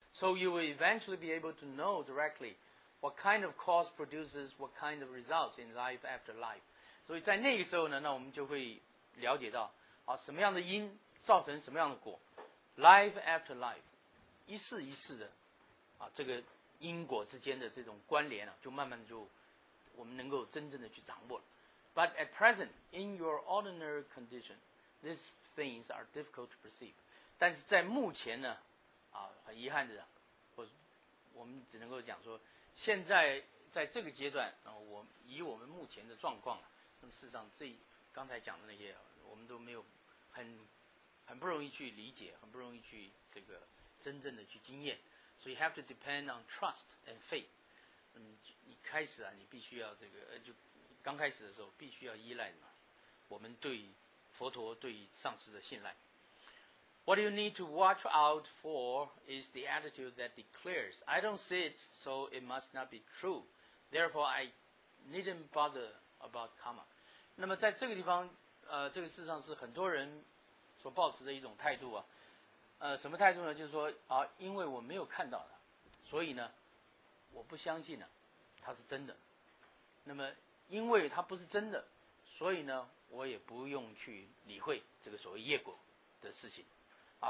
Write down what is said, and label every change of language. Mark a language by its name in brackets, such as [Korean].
[English] So you will eventually be able to know directly what kind of cause produces what kind of results in life after life. [Chinese] 所以在那个时候呢，那我们就会了解到啊，什么样的因造成什么样的果。 Life after life， 一世一世的啊，这个因果之间的这种关联啊，就慢慢就我们能够真正的去掌握了。 [English] But at present, in your ordinary condition, these things are difficult to perceive. [Chinese] 但是在目前呢，啊，很遗憾的，或我们只能够讲说，现在在这个阶段，我以我们目前的状况，那么事实上这刚才讲的那些，我们都没有很不容易去理解，很不容易去这个真正的去经验。 [English] So you have to depend on trust and faith. [Chinese] 你开始啊，你必须要这个就。刚开始的时候必须要依赖我们对佛陀对上师的信赖。 [English] What you need to watch out for is the attitude that declares I don't see it so it must not be true therefore I needn't bother about karma. [Chinese] 那么在这个地方这个事实上是很多人所抱持的一种态度啊。什么态度呢，就是说啊，因为我没有看到它，所以呢我不相信呢它是真的，那么因为它不是真的，所以呢我也不用去理会这个所谓业果的事情啊。